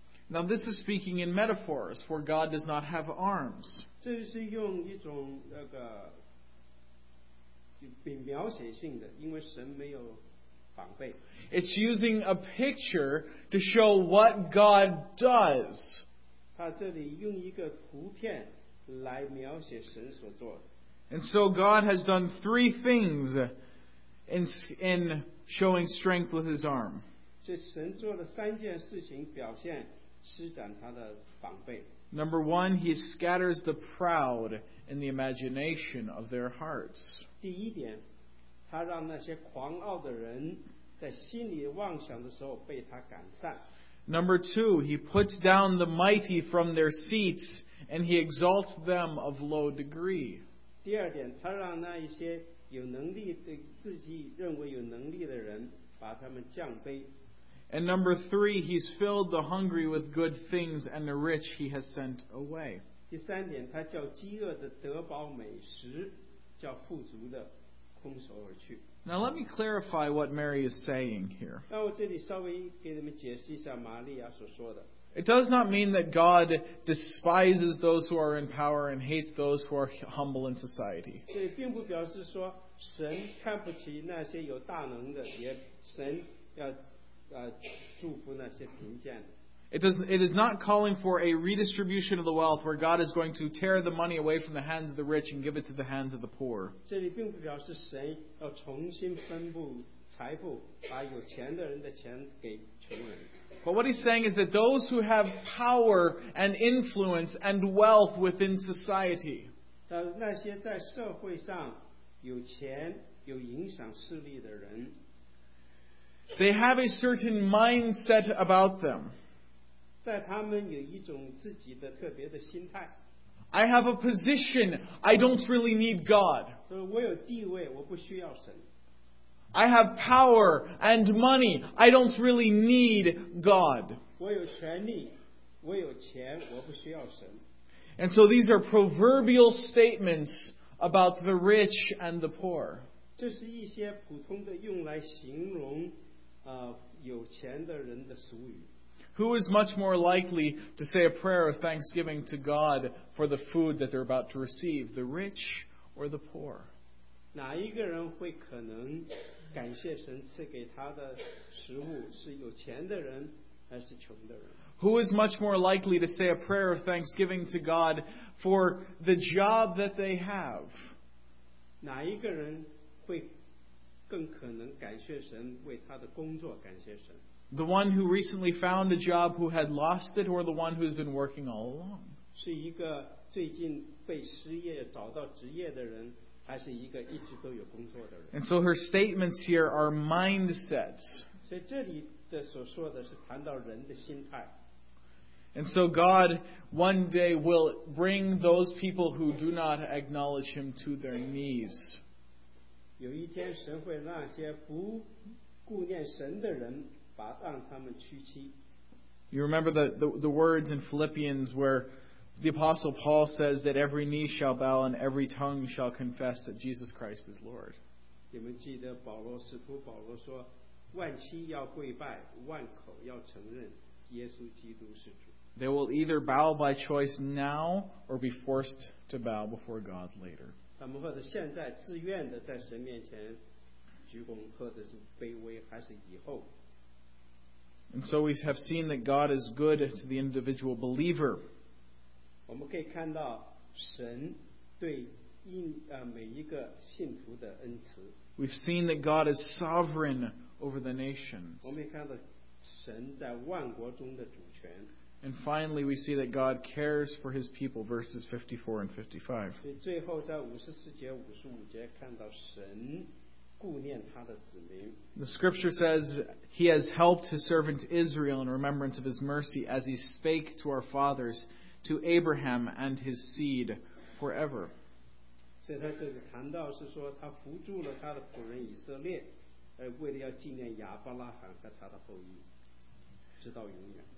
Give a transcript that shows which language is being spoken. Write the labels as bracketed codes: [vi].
[en] Now this is speaking in metaphors, for God does not have arms. [zh] 这是用一种那个就描写性的，因为神没有膀臂。 [en] It's using a picture to show what God does. [zh] 他这里用一个图片来描写神所做的。 [en] And so God has done three things in showing strength with his arm. [zh] So 神做了三件事情，表现施展他的膀臂。 [en] Number one, he scatters the proud in the imagination of their hearts. [zh] 第一点，他让那些狂傲的人在心里妄想的时候被他赶散。 [en] Number two, he puts down the mighty from their seats and he exalts them of low degree. [zh] 第二点，他让那一些有能力的自己认为有能力的人把他们降卑。 [en] And number three, he's filled the hungry with good things and the rich he has sent away. [zh] 第三点，他叫饥饿的得饱美食，叫富足的空手而去。 [en] Now let me clarify what Mary is saying here. [zh] 那我这里稍微给你们解释一下玛利亚所说的。 [en] It does not mean that God despises those who are in power and hates those who are humble in society. [zh] 对，并不表示说神看不起那些有大能的，也神要祝福那些贫贱的。 [en] It is not calling for a redistribution of the wealth where God is going to tear the money away from the hands of the rich and give it to the hands of the poor. [zh] 这里并不表示神要重新分布财富，把有钱的人的钱给穷人。 [en] But what he's saying is that those who have power and influence and wealth within society, [zh] 那些在社会上有钱有影响势力的人， [en] they have a certain mindset about them. [zh] 在他们有一种自己的特别的心态。 [en] I have a position. I don't really need God. [zh] 我有地位，我不需要神。 [en] I have power and money. I don't really need God. [zh] 我有权力，我有钱，我不需要神。 [en] And so these are proverbial statements about the rich and the poor. [zh] 这是一些普通的用来形容有钱的人的俗语。 [en] Who is much more likely to say a prayer of thanksgiving to God for the food that they're about to receive, the rich or the poor? [zh] 哪一个人会可能感谢神赐给他的食物，是有钱的人还是穷的人？ [en] Who is much more likely to say a prayer of thanksgiving to God for the job that they have? [zh] 哪一个人会更可能感谢神为他的工作感谢神？ [en] The one who recently found a job who had lost it, or the one who has been working all along? [zh] 是一个最近被失业找到职业的人，还是一个一直都有工作的人？ [en] And so her statements here are mindsets. [zh] 所以这里的所说的是谈到人的心态。 [en] And so God one day will bring those people who do not acknowledge Him to their knees. [zh] 有一天神会让那些不顾念神的人把让他们屈膝。 [en] You remember the words in Philippians where the Apostle Paul says that every knee shall bow and every tongue shall confess that Jesus Christ is Lord. [zh] 你们记得保罗，使徒保罗说，万膝要跪拜，万口要承认耶稣基督是主。 [en] They will either bow by choice now or be forced to bow before God later. [zh] 他们或者现在自愿的在神面前鞠躬，或者是卑微，还是以后。 [en] And so we have seen that God is good to the individual believer. [zh] 我们可以看到神对每一个信徒的恩慈。 [en] We've seen that God is sovereign over the nations. [zh] 我们看到神在万国中的主权。 [en] And finally, we see that God cares for His people, verses 54 and 55. [zh] 所以最后在54节、55节看到神顾念他的子民。 [en] The scripture says He has helped His servant Israel in remembrance of His mercy as He spake to our fathers, to Abraham and his seed forever. [zh] 所以他这里谈到是说他扶助了他的仆人以色列，为了要纪念亚伯拉罕和他的后裔，直到永远。